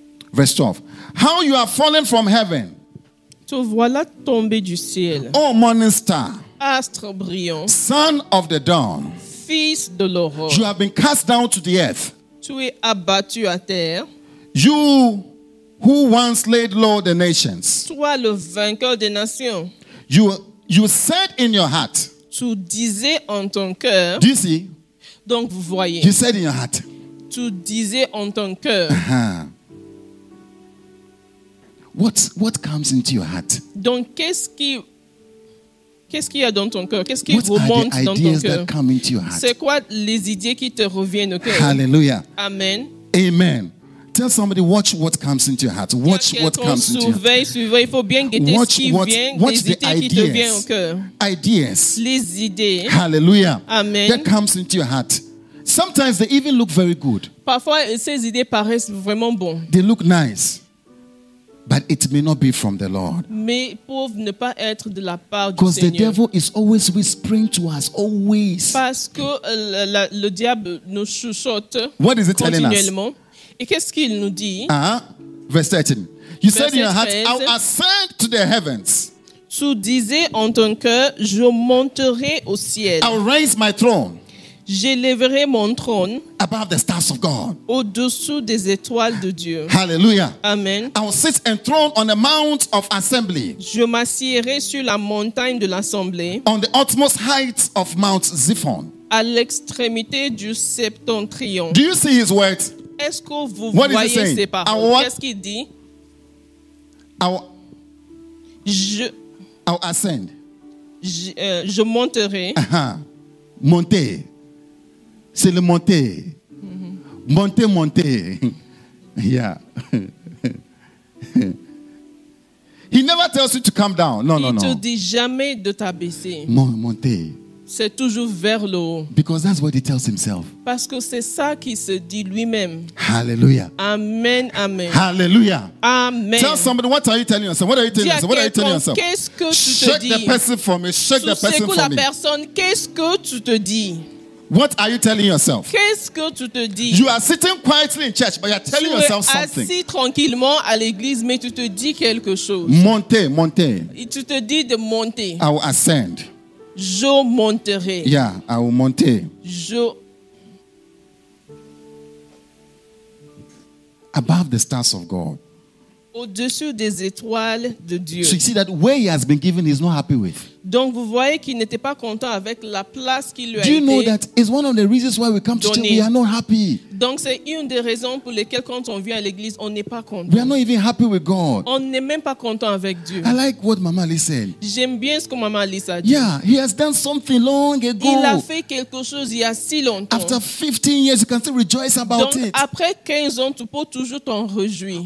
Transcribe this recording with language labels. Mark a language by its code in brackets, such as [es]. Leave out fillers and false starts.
[en] Verse 12. How you have fallen from heaven. [fr] Te voilà tombé du ciel. [en] Oh, morning star. [fr] Astre brillant. [en] Son of the dawn. [fr] Fils de l'aurore. [en] You have been cast down to the earth. [fr] Tu es abattu à terre. [en] You who once laid low the nations. [fr] Toi le vainqueur des nations. [en] You said in your heart. [fr] Tu disais en ton cœur. [en] Do you see? [fr] Donc vous voyez. [en] You said in your heart. [fr] Tu disais en ton cœur. [en] What comes into your heart? [fr] Donc qu'est-ce qu'il y a dans ton cœur? Qu'est-ce qui remonte dans ton cœur? [en] What are the ideas that come into your heart? [fr] C'est quoi les idées qui te reviennent au cœur? [en] Hallelujah. Amen. Amen. Tell somebody, watch what comes into your heart. Watch what comes into your heart. [fr] Suivez, il faut bien guetter [en] watch, [fr] ce qui [en] what, [fr] vient, [en] watch [fr] les [en] the [fr] idées qui te viennent au cœur. [en] Ideas. [fr] Les idées. [en] Hallelujah. Amen. That comes into your heart. Sometimes they even look very good. [fr] Parfois, ces idées paraissent vraiment bonnes. [en] They look nice. But it may not be from the Lord. [fr] Mais peuvent ne pas être de la part du Seigneur. [en] Because the devil is always whispering to us, always. [fr] Parce que le diable nous chuchote. [en] What is it telling us? [fr] Et qu'est-ce qu'il nous dit? [en] Verse 13. You said in your heart, I will ascend to the heavens. [fr] Tu disais en ton cœur, je monterai au ciel. [en] I will raise my throne. [fr] J'élèverai mon trône [en] above the stars of God. [fr] Au-dessous des étoiles de Dieu. [en] Hallelujah. Amen. I will sit enthroned on the mount of assembly. [fr] Je m'assiérai sur la montagne de l'assemblée. [en] On the utmost heights of Mount Ziphon. [fr] À l'extrémité du septentrion. [en] Do you see his words? [fr] Est-ce que vous [en] what [fr] voyez ses paroles? Qu'est-ce qu'il dit? [en] I'll ascend. [fr] Je monterai. Monter. C'est le monter. Mm-hmm. Monter, monter. [en] Yeah. He never tells you to come down. No, [fr] il [en] no, no. [fr] Il te dit jamais de t'abaisser. Monter. C'est toujours vers le haut. [en] Because that's what he tells himself. [fr] Parce que c'est ça qu'il se dit lui-même. [en] Hallelujah. Amen, amen. Hallelujah. Amen. Tell somebody, what are you telling yourself? What are you telling yourself? What are you telling yourself? [fr] Qu'est-ce que tu te [en] shake [fr] dis? [en] Shake the person for me. Shake [fr] sous [en] the person for [fr] la [en] me. [fr] Personne, qu'est-ce que tu te dis? [en] What are you telling yourself? [fr] Qu'est-ce que tu te dis? [en] You are sitting quietly in church, but you are telling [fr] tu [en] yourself something. [fr] Assis tranquillement à l'église, mais tu te dis quelque chose. Monter, monter. Et tu te dis de monter. [en] I will ascend. [fr] Je monterai. [en] Yeah, I will [fr] monter. Je [en] above the stars of God. [fr] Au-dessus des étoiles de Dieu. [en] So you see that where he has been given, he's not happy with. [fr] Donc vous voyez qu'il n'était pas content avec la place qu'il lui a [en] do you [fr] été [en] know that it's one of the reasons why we come [fr] donné. [en] To church, we are not happy. [fr] Donc c'est une des raisons pour lesquelles quand on vient à l'église, on n'est pas content. We are not even happy with God. On n'est même pas content avec Dieu. [en] I like what Mama Lisa said. [fr] J'aime bien ce que Mama Lisa dit. [en] Yeah, he has done something long ago. [fr] Il a fait quelque chose il y a si longtemps. [en] After 15 years, you can still rejoice about it. [fr] Donc après 15 ans, tu peux toujours t'en réjouir.